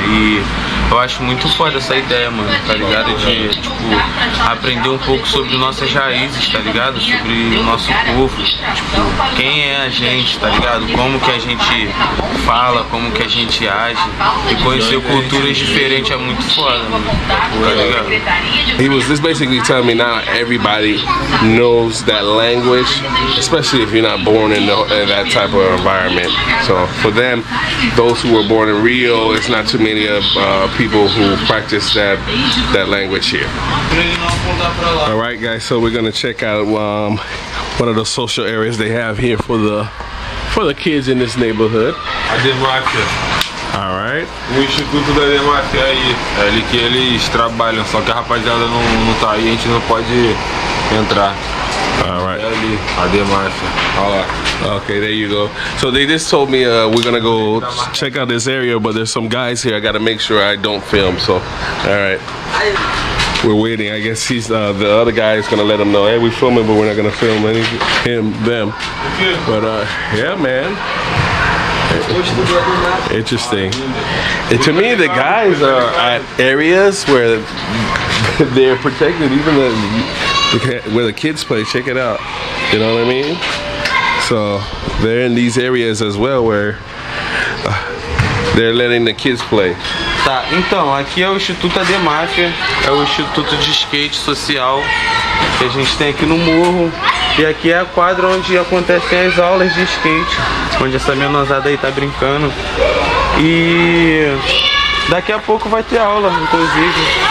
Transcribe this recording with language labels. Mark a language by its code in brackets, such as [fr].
[pt] E eu acho muito foda essa ideia, mano, tá ligado? De, tipo, aprender um pouco sobre nossas raízes, tá ligado? Sobre o nosso povo, tipo, quem é a gente, tá ligado? Como que a gente fala, como que a gente age. E conhecer culturas diferentes é muito foda, mano. Tá ligado? [en] He was just basically telling me not everybody knows that language, especially if you're not born in that type of environment. So for them, those who were born in Rio, it's not too many of people who practice that language here. All right, guys, so we're gonna check out one of the social areas they have here for the kids in this neighborhood. [pt] A Demacia. [en] All right. [pt] O Instituto da Demacia aí. É ali que eles trabalham, só que a rapaziada não tá aí, a gente não pode entrar. [en] All right. [pt] É ali, a Demacia. Olha lá. [en] Okay, there you go. So they just told me we're gonna go check out this area, but there's some guys here. I gotta make sure I don't film. So, all right, we're waiting. I guess he's the other guy is gonna let him know. Hey, we're filming, but we're not gonna film any him them. But yeah, man. Interesting. And to me, the guys are at areas where they're protected, even where the kids play. Check it out. You know what I mean? So they're in these areas as well where they're letting the kids play. [pt] Tá, então, aqui é o Instituto Ademáfia, é o Instituto de Skate Social que a gente tem aqui no morro. E aqui é a quadra onde acontecem as aulas de skate, onde essa menosada aí tá brincando. E daqui a pouco vai ter aula, inclusive.